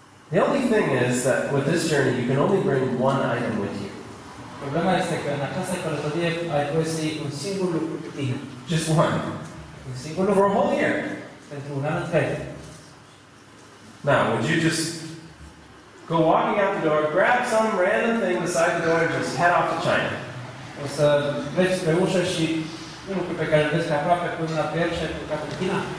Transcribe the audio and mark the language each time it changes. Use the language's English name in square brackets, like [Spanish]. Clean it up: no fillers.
[English] The only thing is that with this journey you can only bring one item with you. [Romanian] Problema este că în această călătorie ai voie să iei un singur lucru cu tine. [English] Just one. [Romanian] Un singur lucru. [English] For a whole year. [Romanian] Pentru un an întreg. [English] Now, would you just go walking out the door, grab some random thing beside the door and just head off to China? [Romanian] O să vezi pe ușă și un lucru pe care îl vezi aproape până la pierd și ai plecat în China?